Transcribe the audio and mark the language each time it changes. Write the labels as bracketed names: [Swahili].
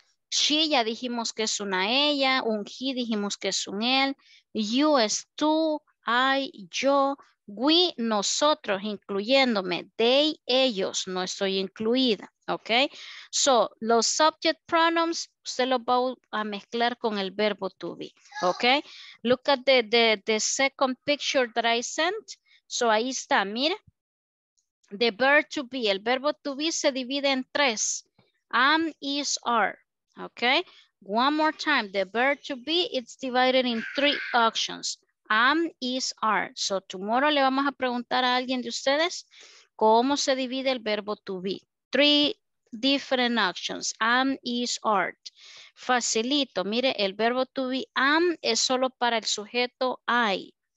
[Spanish] She, ya dijimos que es una ella. Un he, dijimos que es un él. You es tú. I, yo. We, nosotros, incluyéndome. They, ellos. No estoy incluida. ¿Ok? So, los subject pronouns, usted los va a mezclar con el verbo to be. ¿Ok? [English] Look at the second picture that I sent. So, [Spanish] ahí está, mire. [English] The verb to be. [Spanish] El verbo to be se divide en tres. Am, is, are. ¿Ok? [English] One more time. The verb to be, it's divided in three options. Am, is, are. [Spanish] So, tomorrow le vamos a preguntar a alguien de ustedes cómo se divide el verbo to be. [English] Three different actions. Am, is, art. Facilito. [Spanish] Mire, el verbo to be am es solo para el sujeto I.